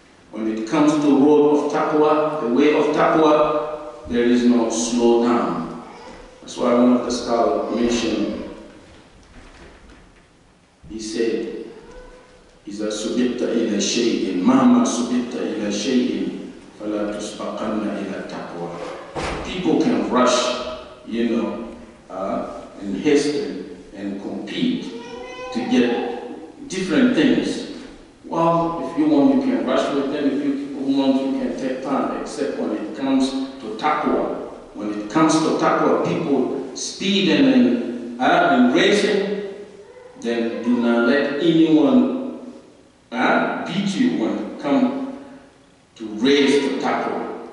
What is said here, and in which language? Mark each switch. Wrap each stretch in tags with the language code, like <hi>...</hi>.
<en>When it comes to the road of taqwa, the way of taqwa, there is no slow down. That's why one of the scholars mentioned, he said,</en> <ar>إذا سبقت إلى شيء مهما سبقت إلى شيء فلا تسبقن إلى تقوى.</ar> <en>People can rush, you know, and haste and compete to get different things. Well, if you want, you can rush with them. If you want, you can take time. Except when it comes to taqwa. When it comes to taqwa, people speed and racing, then do not let anyone beat you when it comes to race to taqwa.</en>